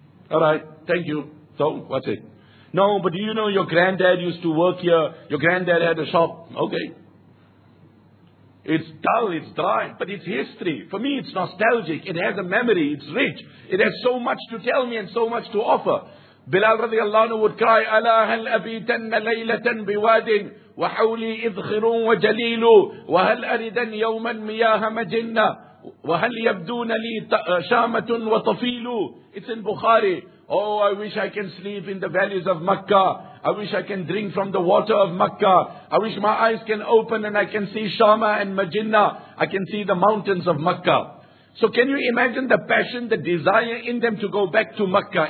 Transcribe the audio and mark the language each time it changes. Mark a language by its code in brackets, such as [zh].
[en] Alright, thank you. So, what's it? No, but do you know your granddad used to work here? Your granddad had a shop. Okay. It's dull, it's dry, but it's history. For me, it's nostalgic. It has a memory. It's rich. It has so much to tell me and so much to offer. [ar] Bilal radiallahu anhu [en] would cry, [ar] أَلَا هَلْ أَبِيْتَنَّ لَيْلَةً بِوَادٍ وَحَوْلِي إِذْخِرٌ وَجَلِيلُ وَهَلْ أَرِدًا يَوْمًا مِيَاهَ مَجِنَّ وَهَلْ يَبْدُونَ لِي شَامَةٌ وَطَفِيلُ. [en] It's in Bukhari. Oh, I wish I can sleep in the valleys of Makkah. I wish I can drink from the water of Makkah. I wish my eyes can open and I can see Shama and Majinna. I can see the mountains of Makkah. So can you imagine the passion, the desire in them to go back to Makkah?